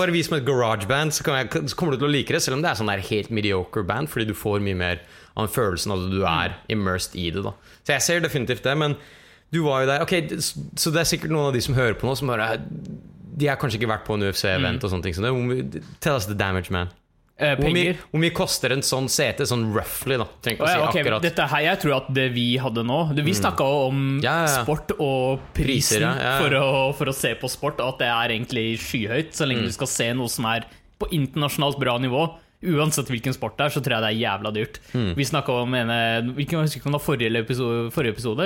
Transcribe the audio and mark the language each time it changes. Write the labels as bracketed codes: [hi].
[no] Bare vis meg et garage band, så kommer du til å like det. Selv om det er sånn der helt mediocre band, fordi du får mye mer av følelsen av at du er immersed i det da. Så jeg ser definitivt det, men du var jo der. Ok, så det er sikkert noen av de som hører på nå som bare, de har kanskje ikke vært på en UFC-event og sånne ting. [en] Tell us the damage, man. [no] Penger? Hvor mye koster en sånn sete, sånn roughly da? Akkurat. Dette her, jeg tror at det vi hadde nå, vi snakket jo om sport og prisen for å se på sport, at det er egentlig skyhøyt, så lenge du skal se noe som er på internasjonalt bra nivå. Uansett hvilken sport det er, så tror jeg det er jævla dyrt. Vi snakket om en, hvilken var det forrige episode?